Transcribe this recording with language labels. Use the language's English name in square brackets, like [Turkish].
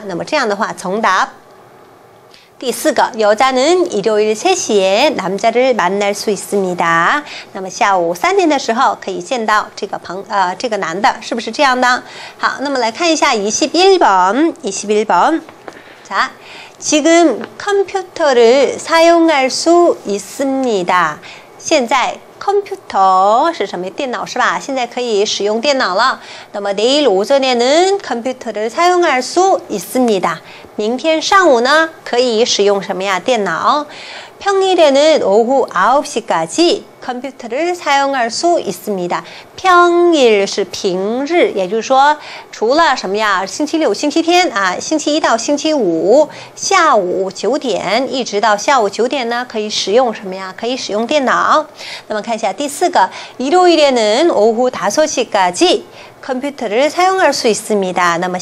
[Chinese] 有朋友结婚啊那么星期天呢这个女的又问了那么男的再回答说什么呀星期天中午呢啊有这个约会啊就是和别人一起吃饭那么从下午三点开始我是有时间的那么这样的话从答第四个 [Korean] 여자는 일요일 3시에 남자를 만날 수 있습니다 [Chinese] 那么下午三点的时候可以见到这个男的是不是这样的好那么来看一下 [Korean] 21번 21번 자 지금 컴퓨터를 사용할 수 있습니다. [Chinese] 现在 컴퓨터是什么电脑是吧? 现在可以使用电脑了。那么 [Korean] 내일 오전에는 컴퓨터를 사용할 수 있습니다. [Chinese] 明天上午呢可以使用什么呀电脑。 [Korean] 평일에는 오후 9시까지 컴퓨터를 사용할 수 있습니다. [Chinese] 평일是 平日, 也就是说除了什么呀星期六星期天啊星期一到星期五下午九点一直到下午九点呢可以使用什么呀可以使用电脑那么看一下第四个 [Korean] 일요일에는 오후 5시까지 컴퓨터를 사용할 수 있습니다.